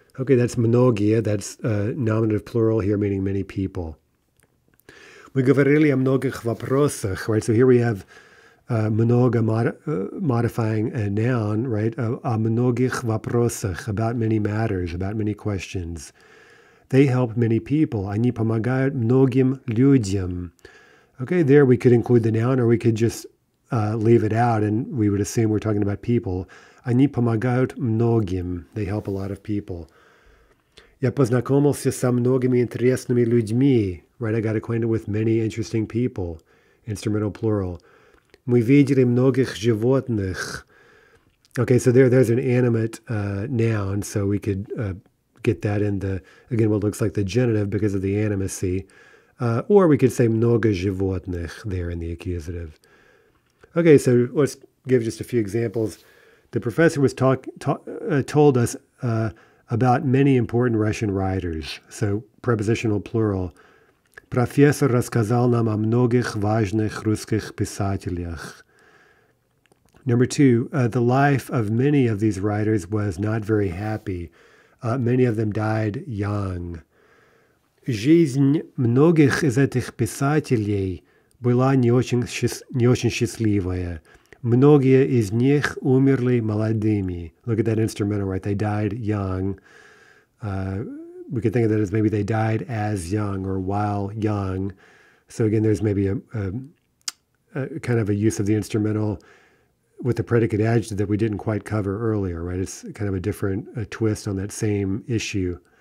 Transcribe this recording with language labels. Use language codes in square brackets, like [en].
[en] Okay, that's многие, that's nominative plural here, meaning many people. [ru] Мы говорили о многих вопросах, [en] right, so here we have mnoga modifying a noun, right? [ru] A mnogich vaprosach, [en] about many matters, about many questions. They help many people. [ru] Они помогают многим людям. [en] Okay, there we could include the noun, or we could just leave it out, and we would assume we're talking about people. [ru] Они помогают многим. [en] They help a lot of people. [ru] Я познакомился со многими интересными людьми. [en] Right, I got acquainted with many interesting people. Instrumental plural. [ru] Мы видели многих животных. [en] Okay, so there's an animate noun, so we could get that in the, again, what looks like the genitive because of the animacy. Or we could say [ru] много животных [en] there in the accusative. Okay, so let's give just a few examples. The professor was told us about many important Russian writers. So prepositional plural. [ru] Профессор рассказал нам о многих важных русских писателях. [en] Number two, the life of many of these writers was not very happy. Many of them died young. [ru] Жизнь многих из этих писателей была не очень счастливая. Многие из них умерли молодыми. [en] Look at that instrumental, right? They died young. We could think of that as maybe they died as young or while young. So again, there's maybe a kind of a use of the instrumental with the predicate adjective that we didn't quite cover earlier, right? It's kind of a different twist on that same issue.